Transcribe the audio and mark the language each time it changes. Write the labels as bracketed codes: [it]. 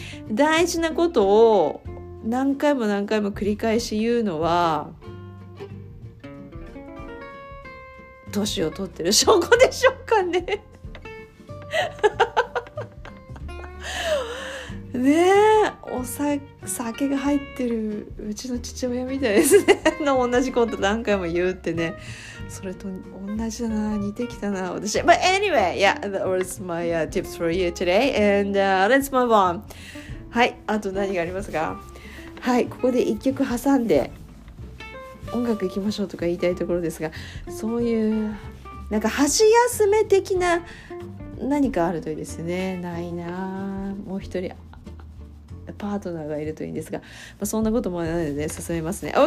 [ja] 大事なことを何回も何回も繰り返し言うのは年を取ってる証拠でしょうかね。ねえ、お酒が入ってるうちの父親みたいですねの同じこと何回も言うってね、それと同じだな、似てきたな私。 [en] But anyway, yeah, that was my tips for you today. And let's move on. [ja] はい、あと何がありますか。はい、ここで一曲挟んで音楽行きましょうとか言いたいところですが、そういうなんか箸休め的な何かあるといいですね。ないな、もう一人パートナーがいるといいんですが、まあ、そんなこともないので、ね、進めますね。